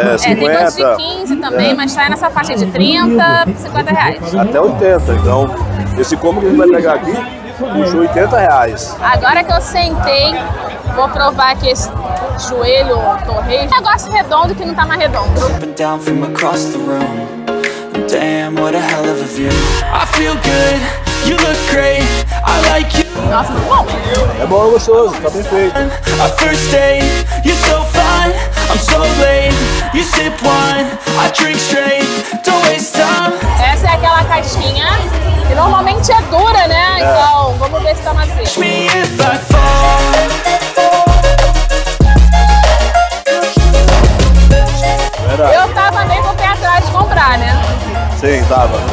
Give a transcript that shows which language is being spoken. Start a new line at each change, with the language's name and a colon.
Portuguese: É, tem uns de 15 também, mas tá nessa faixa de 30, R$50. Até 80, então... Esse combo que a gente vai pegar aqui, custa R$80. Agora que eu sentei, vou provar aqui esse joelho, torrei... Um negócio redondo que não tá mais redondo.
English: Damn, what a hell of a view. I feel good, you look great, I like you.
Portuguese: Nossa, tá bom. É bom, é gostoso, tá bem feito.
English: A first date, you're so fine, I'm so late. You sip wine, I drink straight, don't waste time.
Portuguese: Essa é aquela caixinha que normalmente é dura, né? É. Então, vamos ver se tá macio.
English: Catch me if I fall.
Portuguese: Eu tava meio com o pé atrás de comprar, né? Sim, tava.